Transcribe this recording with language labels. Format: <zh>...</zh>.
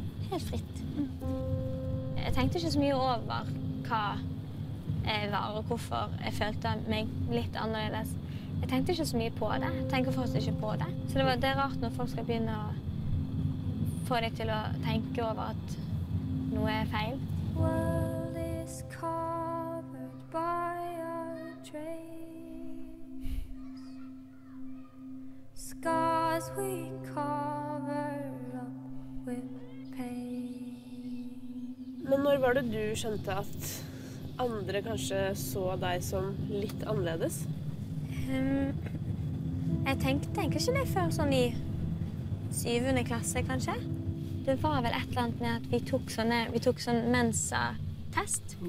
<no>Helt fritt. Jeg tenkte ikke så mye over hva jeg var og hvorfor jeg følte meg litt annerledes. Jeg tenkte ikke så mye på det. Jeg tenker fortsatt ikke på det. Så det, det er rart når folk skal begynne å få deg til å tenke over at noe er feil.</no> <en>World is covered by a trace. Scars we cover up with pain.</en> <no>Men når var det du skjønte at andre kanskje så deg som litt annerledes? Jeg tenkte ikke det før sånn i 7. klasse, kanskje. Det var vel et eller annet med at vi tok sånn mensa-test.</no>